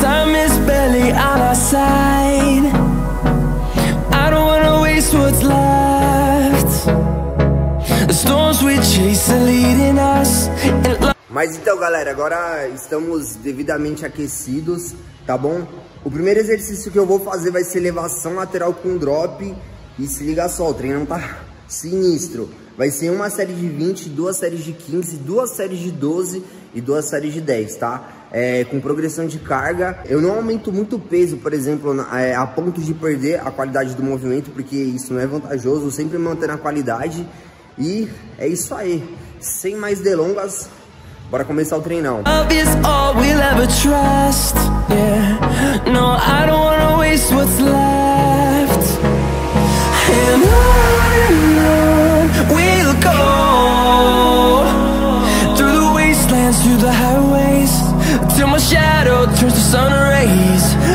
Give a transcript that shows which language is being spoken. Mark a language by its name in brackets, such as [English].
[English] Time is barely on our side. I don't wanna waste what's left. The storms we chase are leading us. [Portuguese] Mas então, galera, agora estamos devidamente aquecidos, tá bom? O primeiro exercício que eu vou fazer vai ser elevação lateral com drop. E se liga só, o treino tá sinistro. Vai ser uma série de 20, duas séries de 15, duas séries de 12 e duas séries de 10, tá? É, com progressão de carga. Eu não aumento muito o peso, por exemplo, a ponto de perder a qualidade do movimento, porque isso não é vantajoso, sempre mantendo a qualidade. E é isso aí. Sem mais delongas, bora começar o treinão. [English] Love is all we'll ever trust. Yeah. No, I don't wanna waste what's left. And we'll go through the wastelands, through the highways, till my shadow turns to sun rays.